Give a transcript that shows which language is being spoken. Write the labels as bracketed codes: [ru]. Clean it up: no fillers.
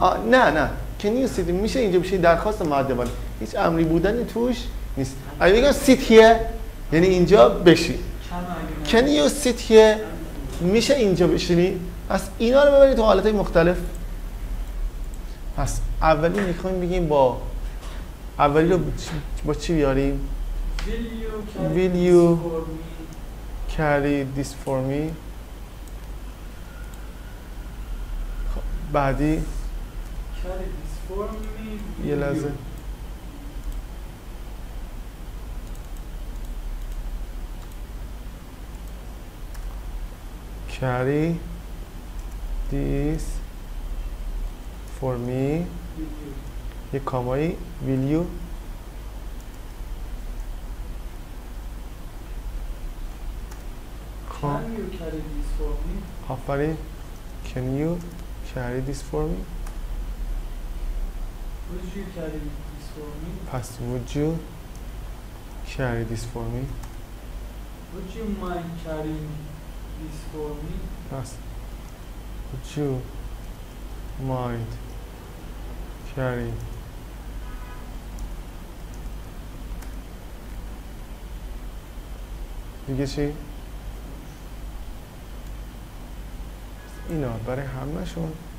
[fa] نه [en] can you sit [fa] میشه اینجا بشینی درخواست مؤدبانه هیچ امری بودن توش نیست اگه بگم [en] sit here [fa] یعنی اینجا بشی [en] can you sit here [fa] میشه اینجا بشینی پس اینا رو ببینید تو حالتهای مختلف پس اولی میخواییم بگیم با اولی رو با چی بیاریم [en] will you carry this for me [fa] خب بعدی [en] carry this for me [fa] یه لحظه [en] carry this for me [fa] یک کامایی [en] will you can you carry this for me آفرین can you carry this for me would you carry this for me پس would you carry this for me would you mind carrying this for me would you mind carrying [fa] دیگه چی؟ اینا برای همه شون